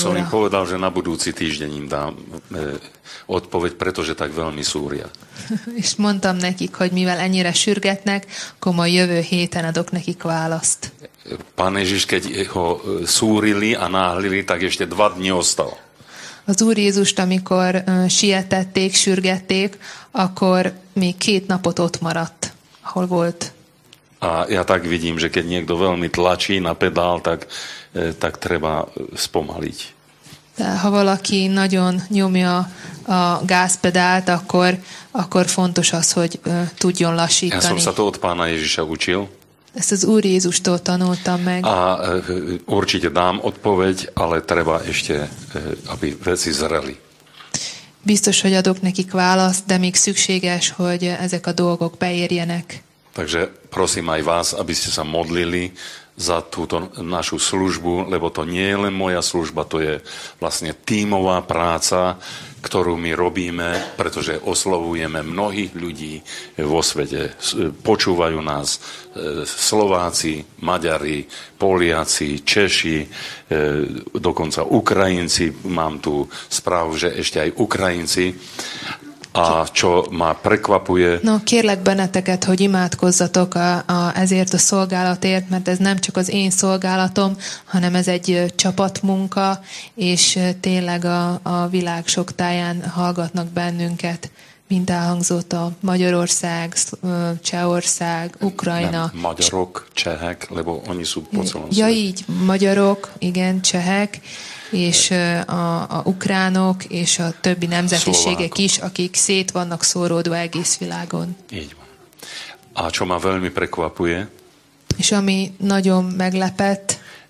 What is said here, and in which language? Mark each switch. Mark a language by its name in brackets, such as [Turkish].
[Slovak] Tak som im povedal, že na budúci týždeň im dám odpoveď, pretože tak veľmi súria. [Hungarian] És mondtam nekik, hogy mivel ennyire sürgetnek, akkor majd jövő héten adok nekik választ. [Slovak] Pán Ježiš, keď ho súrili a náhlili, tak ešte dva dni ostalo. [Hungarian] Az Úr Jézust, amikor sietették, sürgették, akkor még két napot ott maradt, ahol volt. [Slovak] A ja tak vidím, že keď niekto veľmi tlačí na pedál, tak, tak treba spomaliť. [Hungarian] De ha valaki nagyon nyomja a gázpedált, akkor, akkor fontos az, hogy tudjon lassítani. [Slovak] Ja som sa to od Pána Ježiša učil. [Hungarian] Ezt az Úr Jézustól tanultam meg. [Slovak] A určite dám odpoveď, ale treba ešte, aby veci zreli. [Hungarian] Biztos, hogy adok nekik választ, de még szükséges, hogy ezek a dolgok beérjenek. [Slovak] Takže prosím aj vás, aby ste sa modlili za túto našu službu, lebo to nie je len moja služba, to je vlastne tímová práca, ktorú my robíme, pretože oslovujeme mnohých ľudí vo svete. Počúvajú nás Slováci, Maďari, Poliaci, Češi, dokonca Ukrajinci. Mám tu správu, že ešte aj Ukrajinci. A čo ma prekvapuje... [Hungarian] No, kérlek benneteket, hogy imádkozzatok ezért a szolgálatért, mert ez nem csak az én szolgálatom, hanem ez egy csapatmunka, és tényleg a világ sok táján hallgatnak bennünket, mint elhangzott a Magyarország, Csehország, Ukrajna. Nem, magyarok, csehek, [Slovak] lebo oni sú po celom svete. [Hungarian] Ja, így, magyarok, igen, csehek. És a ukránok és a többi nemzetiségek is, akik szét vannak szóródva egész világon. Így van. [Slovak] A čo ma veľmi prekvapuje? [Hungarian] És ami nagyon meglepett.